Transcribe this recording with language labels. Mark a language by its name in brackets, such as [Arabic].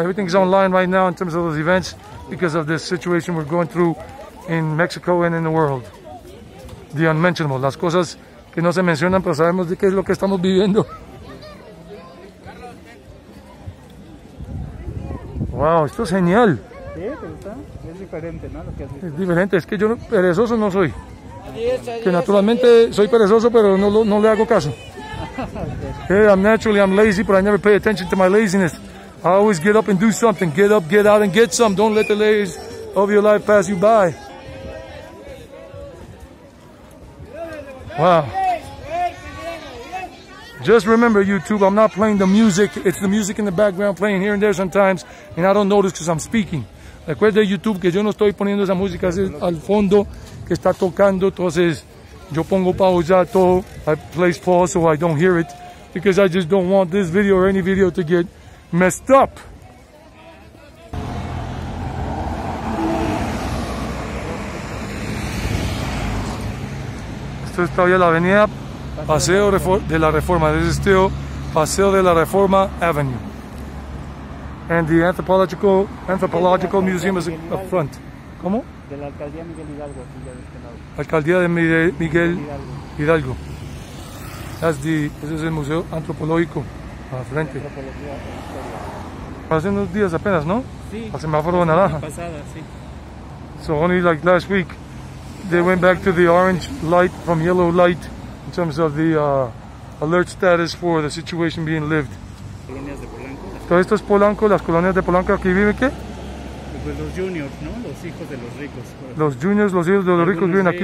[English] Everything is online right now in terms of those events because of this situation we're going through in Mexico and in the world. The unmentionable. [Spanish] Las cosas que no se mencionan, pero sabemos de qué es lo que estamos viviendo. Wow, esto es genial. Es diferente, ¿no? Lo que es diferente, es que yo perezoso no soy. Que naturalmente soy perezoso, pero no le hago caso. [English] I'm lazy, but I never pay attention to my laziness. I always get up and do something. Get up, get out, and get some. Don't let the layers of your life pass you by. Wow. Just remember, YouTube, I'm not playing the music. It's the music in the background playing here and there sometimes, and I don't notice because I'm speaking. [Spanish] Recuerde, YouTube, que yo no estoy poniendo esa música al fondo que está tocando, entonces yo pongo pausa todo. [English] I place pause so I don't hear it, because I just don't want this video or any video to get messed up. [Spanish] Esto está hoy en la avenida Paseo de la Reforma. [English] This is still Paseo de la Reforma Avenue. And the Anthropological Museum is up front. [Spanish] ¿Cómo? De la Alcaldía Miguel Hidalgo, aquí ya de este lado. Alcaldía de Miguel Hidalgo. Ese es el Museo Antropológico, al frente. Hace unos días apenas, ¿no? Sí. Al semáforo de naranja. Pasada, sí. [English] So only like last week, they went back to the orange light from yellow light in terms of the alert status for the situation being lived. [Spanish] Todo esto es Polanco, las colonias de Polanco, aquí viven, ¿qué? Pues los juniors, ¿no? Los hijos de los ricos. Los juniors, los hijos de los ricos viven aquí.